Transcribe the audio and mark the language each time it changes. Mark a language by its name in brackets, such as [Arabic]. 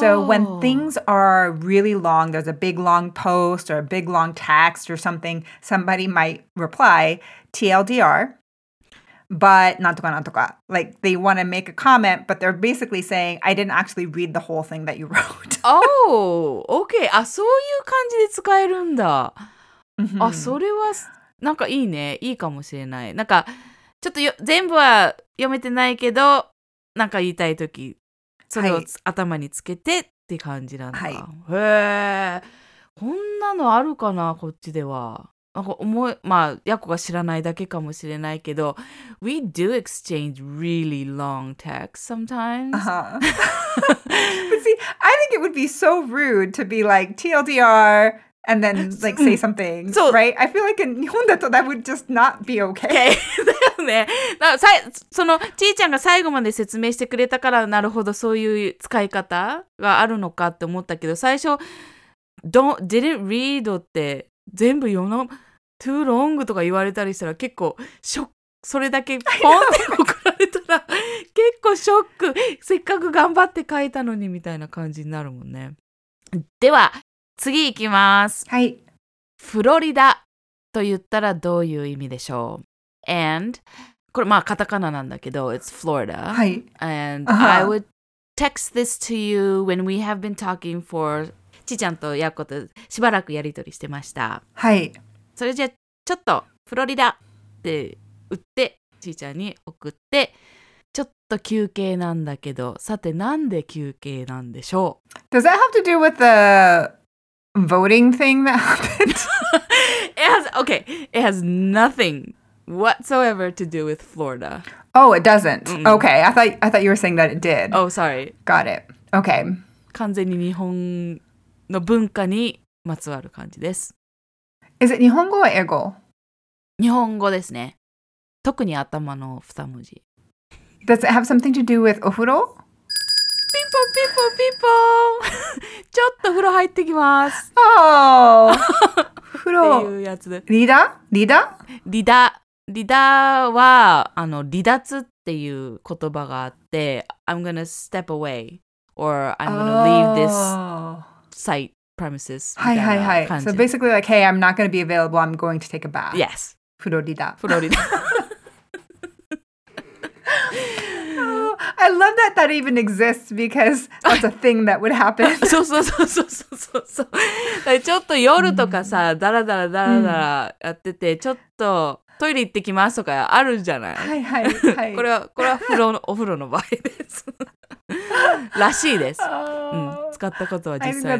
[English] So when things are really long, there's a big long post or a big long text or something, somebody might reply, TLDR, but [Japanese] なんとかなんとか. [English] Like they want to make a comment, but they're basically saying, I didn't actually read the whole thing that you wrote. Oh, okay. [Japanese] あ、そういう感じで使えるんだ。 Mm-hmm. あ、それはなんかいいね。いいかもしれない。なんかちょっと全部は読めてないけど、なんか言いたいとき。それを、はい、頭につけてって感じなんだ、はい、へえ、こんなのあるかなこっちでは。なんか思い、まあヤコが知らないだけかもしれないけど、We do exchange really long texts sometimes. [English] But see, I think it would be so rude to be like TLDR and then like say something, so, right? I feel like in [Japanese] 日本だと [English] that would just not be okay. [Japanese] ね、さそのちいちゃんが最後まで説明してくれたからなるほどそういう使い方があるのかって思ったけど最初 [English] didn't read [Japanese] って全部読む [English] too long [Japanese] とか言われたりしたら結構ショックそれだけポンって怒られたら結構ショックせっかく頑張って書いたのにみたいな感じになるもんねでは次行きますはいフロリダと言ったらどういう意味でしょう [English] And, [Japanese] これまあカタカナなんだけど, [English] it's Florida. [Japanese] はい。 [English] And uh-huh. I would text this to you when we have been talking for... [Japanese] ちーちゃんとやっことしばらくやりとりしてました。はい。それじゃちょっとフロリダって打って、ちーちゃんに送って、ちょっと休憩なんだけど、さてなんで休憩なんでしょう? [English] Does that have to do with the voting thing that happened? it has nothing... whatsoever to do with Florida. Oh, it doesn't. Mm-mm. Okay, I thought you were saying that it did. Oh, sorry. Got it. Okay. [Japanese] 完全に日本の文化にまつわる感じです。 [English] Is it 日本語or 英語? [Japanese] 日本語ですね。特に頭の二文字。 [English] Does it have something to do with お風呂? [Japanese] ピンポンピンポンピンポン!ちょっと風呂入ってきます。 [English] Oh! [Japanese] っていうやつでリーダーリーダーリーダーリーダーはあの離脱っていう言葉があって [English] I'm gonna step away or I'm gonna leave this site premises [Japanese] はいはいはい [English] So basically like hey I'm not gonna be available I'm going to take a bath Yes [Japanese] フロリダフロリダ [English] I love that that even exists because that's a thing that would happen. [Japanese] そうそうそうそうそうそうそう。ちょっと夜とかさ、だらだらだらだらやってて、ちょっとトイレ行ってきますとかあるじゃない。はいはいはい。これは風呂のお風呂の場合です。らしいです。使ったことは実際ない。